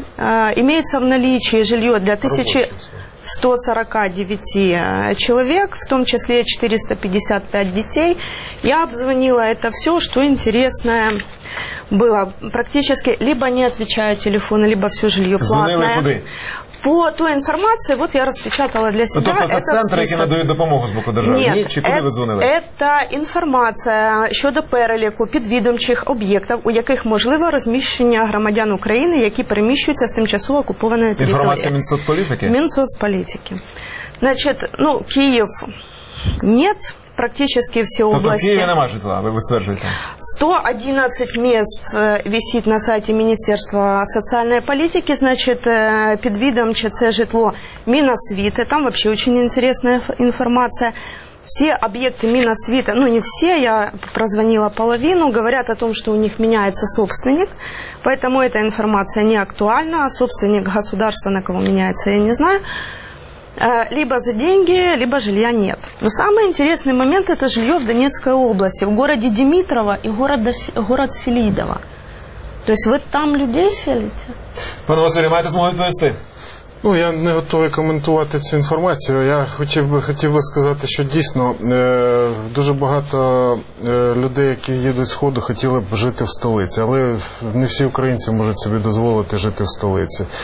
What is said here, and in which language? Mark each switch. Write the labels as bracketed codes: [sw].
[ru] Имеется в наличии жилье для 1149 человек, в том числе 455 детей. Я обзвонила это все, что интересное было. Практически либо не отвечают телефону, либо все жилье платное. [uk] По той інформації, от я розпечатала для себе. Тобто це центри, які надають допомогу з боку держави? Ні, чи куди ви дзвонили? Це інформація щодо переліку підвідомчих об'єктів, у яких можливе розміщення громадян України, які переміщуються з тимчасово окупованої території. Інформація Мінсоцполітики? Мінсоцполітики. Значить, ну, Київ – ні, практично всі області. Тобто в Києві немає житла, ви стверджуєте? [ru] 111 мест висит на сайте Министерства социальной политики, значит, под видом ЧЦ [uk] житло Миносвіти. [ru] Там вообще очень интересная информация. Все объекты Миносвіти, ну не все, я прозвонила половину, говорят о том, что у них меняется собственник, поэтому эта информация не актуальна, а собственник государства, на кого меняется, я не знаю. Либо за деньги, либо жилья нет. Но самый интересный момент – это жилье в Донецкой области, в городе Димитрово и город Селидово. То есть вы там людей селите? [uk] Пане Василю, маєте змогу відповісти? Ну, я не готовий коментувати цю інформацію. Я хотів би сказати, що дійсно дуже багато людей, які їдуть з ходу, хотіли б жити в столиці, але не всі українці можуть собі дозволити жити в столиці.